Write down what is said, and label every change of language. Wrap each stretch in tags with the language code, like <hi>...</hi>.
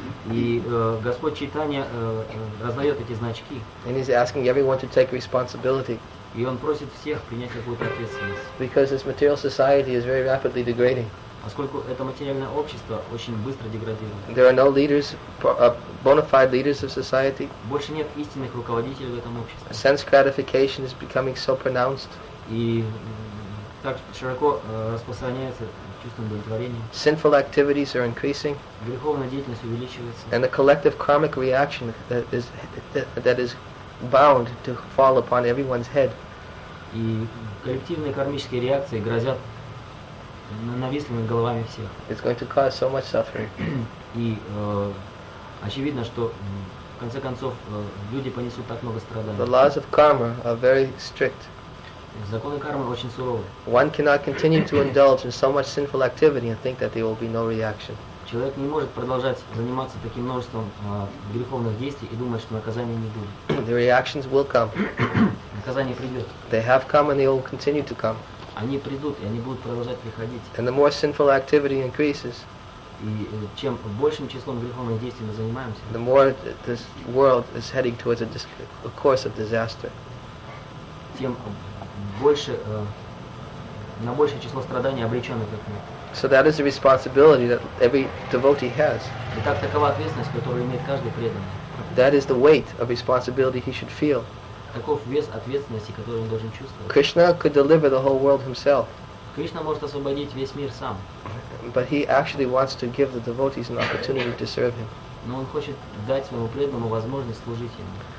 <ru>И Господь Чайтанья раздает эти значки.</ru> <en>And he's asking everyone to take responsibility.</en> <ru>И он просит всех принять какую-то ответственность.</ru> <en>Because this material society is very rapidly degrading.</en> <ru>Поскольку это материальное общество очень быстро деградирует.</ru> <en>There are no leaders, bona fide leaders of society.</en> <ru>Больше нет истинных руководителей в этом обществе.</ru> <en>Sense gratification is becoming so pronounced.</en> <ru>И так широко распространяется чувство удовлетворения.</ru> <en>Sinful activities are increasing.</en> <ru>Греховная деятельность увеличивается.</ru> <en>And the collective karmic reaction that is bound to fall upon everyone's head.</en> <ru>И коллективные кармические реакции грозят нависли над головами всех.</ru> <en>It's going to cause so much suffering.</en> <ru>И очевидно, что в конце концов люди понесут так много страданий.</ru> <en>The laws of karma are very strict.</en> <ru>Законы кармы очень суровы.</ru> <en>One cannot continue to indulge in so much sinful activity and think that there will be no reaction.</en> <ru>Человек не может продолжать заниматься таким множеством греховных действий и думать, что наказания не будет.</ru> <en>The reactions will come.</en> <ru>Наказание придет.</ru> <en>They have come and they will continue to come.</en> <ru>Они придут, и они будут продолжать приходить.</ru> <en>And the more sinful activity increases,</en> <ru>и чем большим числом греховных действий мы занимаемся,</ru> <en>the more this world is heading towards a course of disaster.</en> <ru>Тем больше, на большее число страданий обречен этот мир.</ru> <en>So that is the responsibility that every devotee has.</en> <ru>Итак, такова ответственность, которую имеет каждый преданный.</ru> <en>That is the weight of responsibility he should feel.</en> <ru>Таков вес ответственности, который он должен чувствовать.</ru> <en>Krishna could deliver the whole world himself.</en> <ru>Кришна может освободить весь мир сам.</ru> <en>But he actually wants to give the devotees an opportunity to serve him.</en> <ru>Но он хочет дать своему преданному возможность служить ему.</ru>